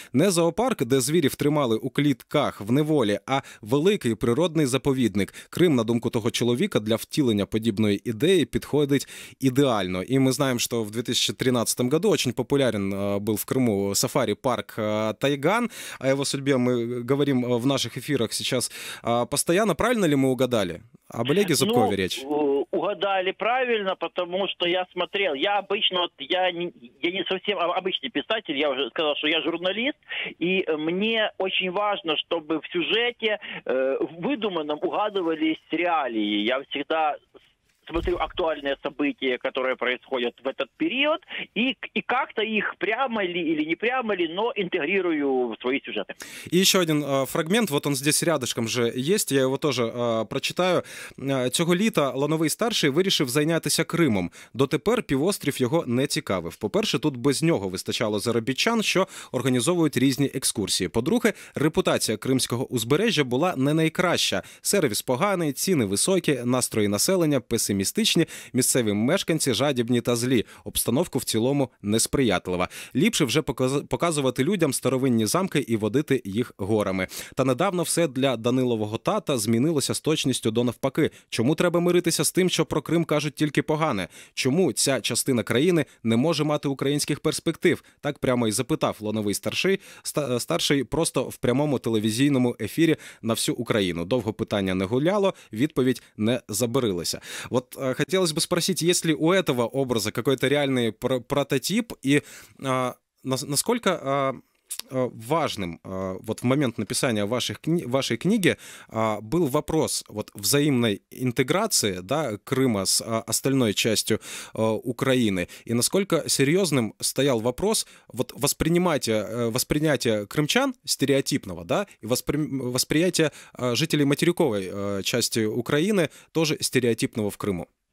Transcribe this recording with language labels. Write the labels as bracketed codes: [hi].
[uk] Не зоопарк, де звірів тримали у клітках в неволі, а великий природний заповідник. Крим, на думку того чоловіка, для втілення подібної ідеї підходить ідеально». І ми знаємо, що в 2013 году дуже популярен був в Криму сафарі-парк «Тайган». А його [ru] судьбі ми говорим в наших эфирах сейчас постоянно. Правильно ли мы угадали? Об Олеге Зубкове речь? Угадали правильно, потому что я смотрел, я не совсем обычный писатель, я уже сказал, что я журналист, и мне очень важно, чтобы в сюжете выдуманном угадывались реалии. Я всегда смотрю актуальные события, которые происходят в этот период, и как-то их прямо ли или не прямо ли, но интегрирую в свои сюжеты. И еще один фрагмент, вот он здесь рядышком же есть, я его тоже прочитаю. [uk] «Цього літа Лановий старший вирішив зайнятися Кримом. Дотепер півострів його не цікавив. По-перше, тут без нього вистачало заробітчан, що організовують різні екскурсії. По-друге, репутація кримського узбережжя була не найкраща. Сервіс поганий, ціни високі, настрої населення песимістичні, місцеві мешканці жадібні та злі. Обстановку в цілому несприятлива. Ліпше вже показувати людям старовинні замки і водити їх горами. Та недавно все для Данилового тата змінилося з точністю до навпаки. Чому треба миритися з тим, що про Крим кажуть тільки погане? Чому ця частина країни не може мати українських перспектив?» Так прямо і запитав Лановий старший, старший просто в прямому телевізійному ефірі на всю Україну. Довго питання не гуляло, відповідь не забарилася. [ru] Вот хотелось бы спросить, есть ли у этого образа какой-то реальный прототип, и насколько важным вот в момент написания вашей книги был вопрос вот взаимной интеграции, да, Крыма с остальной частью Украины, и насколько серьезным стоял вопрос вот воспринятия крымчан стереотипного, да, и восприятия жителей материковой части Украины тоже стереотипного в Крыму.